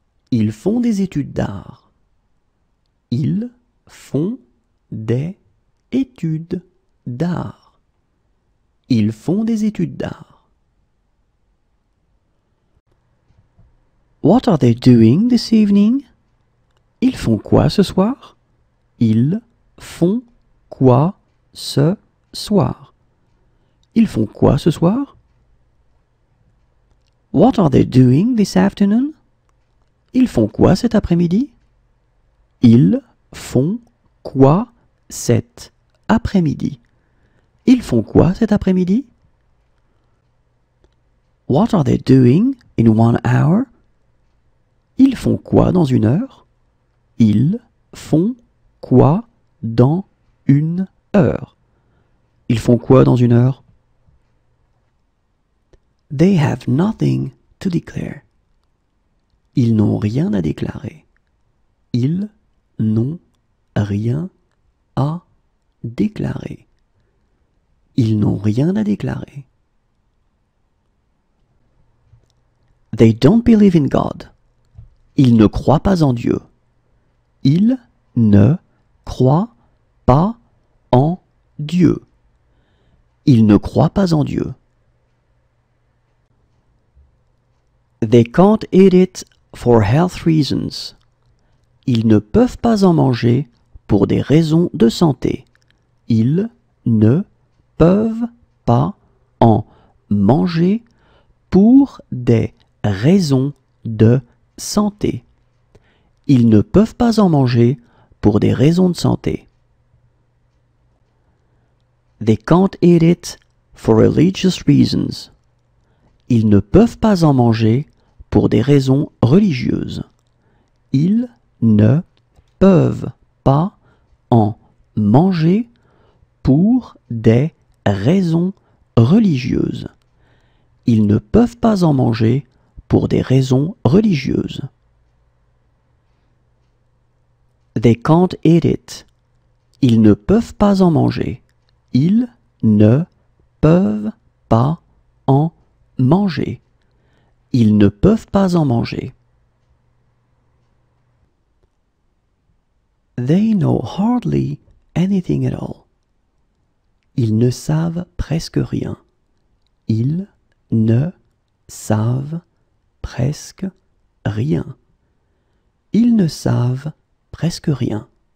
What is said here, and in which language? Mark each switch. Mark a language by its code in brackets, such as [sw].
[fr] Ils font des études d'art. Ils font des études d'art. Ils font des études d'art. [en] What are they doing this evening? [fr] Ils font quoi ce soir? Ils font quoi ce soir? Ils font quoi ce soir? [en] What are they doing this afternoon? [fr] Ils font quoi cet après-midi? Ils font quoi cet après-midi? Ils font quoi cet après-midi? [en] What are they doing in 1 hour? [fr] Ils font quoi dans 1 heure? Ils font quoi dans 1 heure? Ils font quoi dans 1 heure? [en] They have nothing to declare. [fr] Ils n'ont rien à déclarer. Ils n'ont rien à déclarer. Ils n'ont rien à déclarer. [en] They don't believe in God. [fr] Ils ne croient pas en Dieu. Ils ne croient pas en Dieu. Ils ne croient pas en Dieu. [en] They can't eat it for health reasons. [fr] Ils ne peuvent pas en manger pour des raisons de santé. Ils ne peuvent pas en manger pour des raisons de santé. Ils ne peuvent pas en manger pour des raisons de santé. [en] They can't eat it for religious reasons. [fr] Ils ne peuvent pas en manger pour des raisons religieuses. Ils ne peuvent pas en manger pour des raisons religieuses. Ils ne peuvent pas en manger pour des raisons religieuses. [en] They can't eat it. [fr] Ils ne peuvent pas en manger. Ils ne peuvent pas en manger. Ils ne peuvent pas en manger. [en] They know hardly anything at all. [fr] Ils ne savent presque rien. Ils ne savent presque rien. Ils ne savent presque rien.